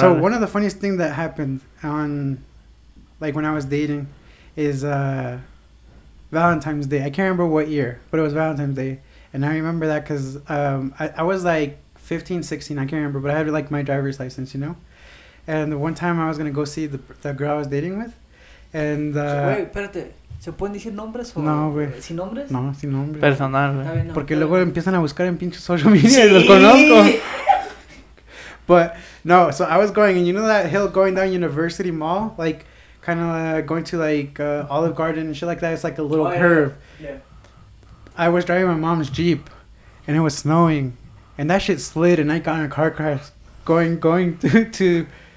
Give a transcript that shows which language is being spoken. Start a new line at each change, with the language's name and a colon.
English: So, one of the funniest things that happened on, like, when I was dating is Valentine's Day. I can't remember what year, but it was Valentine's Day. And I remember that because I was like, 15, 16, I can't remember, but I had, like, my driver's license, you know? And the one time I was going to go see the girl I was dating with, and...
Spanish: Wait, espérate. ¿Se pueden decir nombres o...? No, güey. ¿Sin nombres? No, sin nombres. Personal, güey. Porque luego empiezan a buscar en pinche
English: social media
Spanish: y los conozco.
English: But, no, so I was going, and you know that hill going down University Mall? Like, kind of going to, like, Olive Garden and shit like that. It's like a little curve. Yeah. I was driving my mom's Jeep, and it was snowing. And that shit slid, and I got in a car crash going to